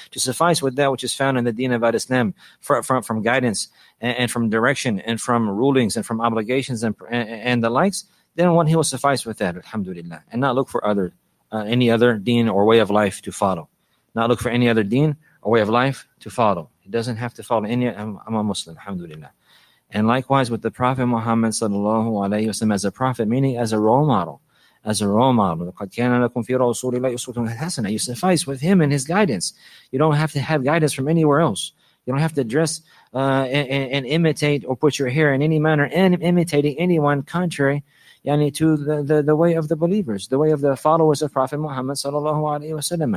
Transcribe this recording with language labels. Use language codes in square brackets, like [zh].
[en] To suffice with that which is found in the deen of Islam, from guidance and from direction and from rulings and from obligations and the likes, then one, he will suffice with that, alhamdulillah, and not look for any other deen or way of life to follow. Not look for any other deen or way of life to follow. He doesn't have to follow any, I'm a Muslim, alhamdulillah. And likewise with the Prophet Muhammad sallallahu alayhi wasallam as a prophet, meaning as a role model. As a role model, [ar] قَدْ كَانَ لَكُمْ فِي رَسُولِ اللَّهِ أُسْوَةٌ حَسَنَةٌ. [en] You suffice with him and his guidance. You don't have to have guidance from anywhere else. You don't have to dress and imitate or put your hair in any manner and imitating anyone contrary yani to the way of the believers, the way of the followers of Prophet Muhammad sallallahu alayhi wa sallam.